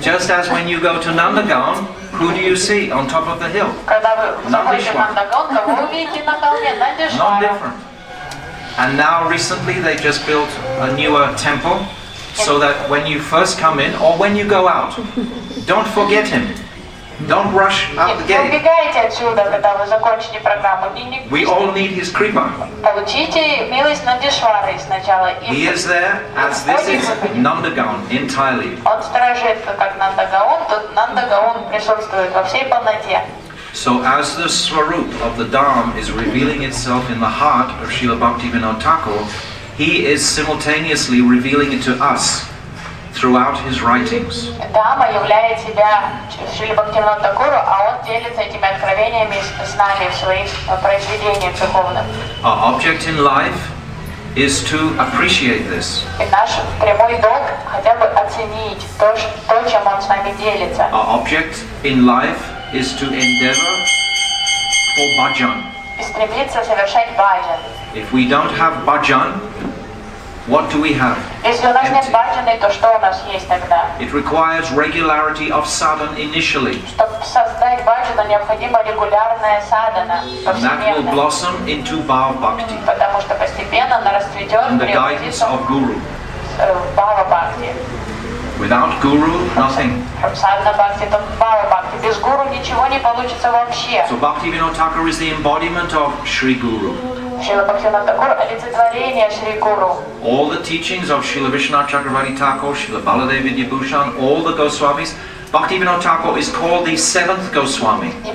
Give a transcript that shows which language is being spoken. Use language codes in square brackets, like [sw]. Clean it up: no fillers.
[en] Just as when you go to Nandagaon, who do you see on top of the hill? [ru] Когда вы заходите в Нандагаон, кого вы видите на холме? [en] Nandishwara. And now, recently, they just built a newer temple. So that when you first come in, or when you go out, don't forget him. Don't rush out the gate. [ru] Убегайте отсюда, когда вы закончите программу. [en] We all need his kripa. [ru] Получите милость Нандишвары сначала. [en] He is there as this is Nandagaon entirely. [ru] Он сторожит как Нандагаон, тут Нандагаон присутствует во всей полноте. [en] So as the swarup of the Dham is revealing itself in the heart of Srila Bhaktivinoda Thakur, he is simultaneously revealing it to us throughout his writings. [ru] Дама являет себя Шрила Бхактивинода Такуру, а он делится этими откровениями с нами в своих произведениях духовных. [en] Our object in life is to appreciate this. [ru] И наш прямой долг хотя бы оценить то, чем он с нами делится. [en] Our object in life is to endeavor for bhajan. [ru] И стремиться совершать бхаджан. [en] If we don't have bhajan, what do we have? [ru] Если у нас нет бхаджаны, то что у нас есть тогда? [en] It requires regularity of sadhana initially. [ru] Чтобы создать бхаджану, необходима регулярная садхана. [en] And that will blossom into bhava bhakti. [ru] Потому что постепенно она расцветет. [en] And the guidance of guru. Bhava bhakti. Without guru, nothing. From sadhana bhakti to bhava bhakti. [ru] Без guru ничего не получится вообще. [en] So Bhaktivinoda Thakur is the embodiment of Sri Guru. All the teachings of Srila Vishnath Chakravarti Thakur, Srila Baladevi Dibhushan, all the Goswamis, Bhaktivinoda Thakur is called the seventh Goswami.